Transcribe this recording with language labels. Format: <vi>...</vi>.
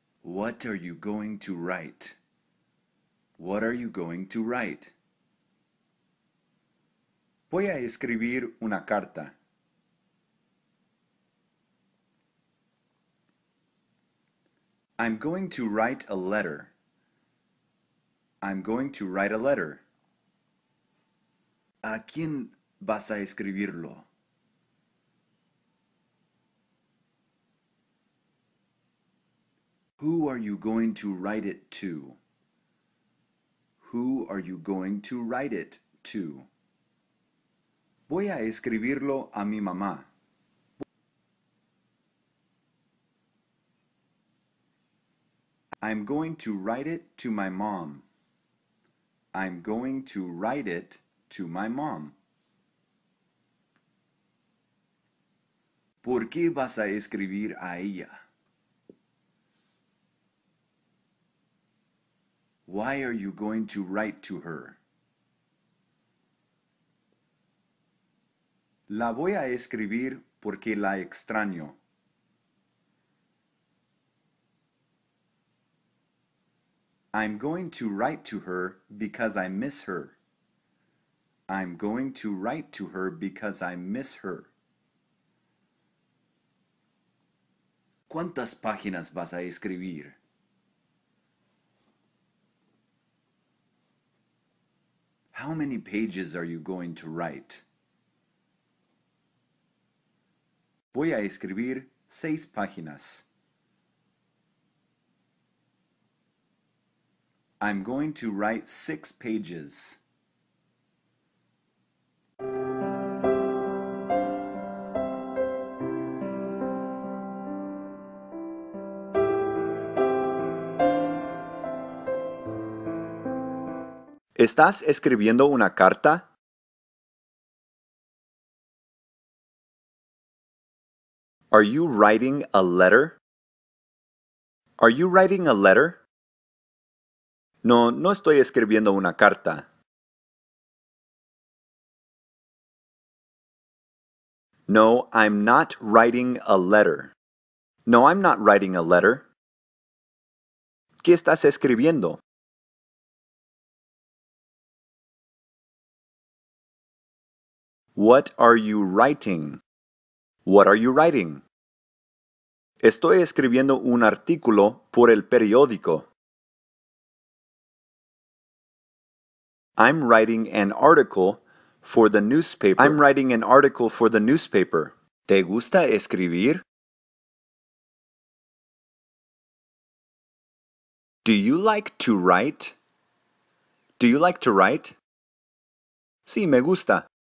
<en>What are you going to write? What are you going to write?</en> <es>Voy a escribir una carta.</es> <en>I'm going to write a letter. I'm going to write a letter.</en> <es>¿A quién vas a escribirlo?</es> <en>Who are you going to write it to? Who are you going to write it to?</en> <es>Voy a escribirlo a mi mamá.</es> <en>I'm going to write it to my mom. I'm going to write it to my mom.</en> <es>¿Por qué vas a escribir a ella?</es> <en>Why are you going to write to her?</en> <es>La voy a escribir porque la extraño.</es> <en>I'm going to write to her because I miss her. I'm going to write to her because I miss her.</en> <es>¿Cuántas páginas vas a escribir?</es> <en>How many pages are you going to write?</en> <es>Voy a escribir 6 páginas.</es> <en>I'm going to write 6 pages.</en> <es>¿Estás escribiendo una carta?</es> <en>Are you writing a letter? Are you writing a letter?</en> <es>No, no estoy escribiendo una carta.</es> <en>No, I'm not writing a letter. No, I'm not writing a letter.</en> <es>¿Qué estás escribiendo?</es> <en>What are you writing? What are you writing?</en> <es>Estoy escribiendo un artículo por el periódico.</es> <en>I'm writing an article for the newspaper. I'm writing an article for the newspaper.</en> <es>¿Te gusta escribir?</es> <en>Do you like to write? Do you like to write?</en> <es>Sí, me gusta.</es>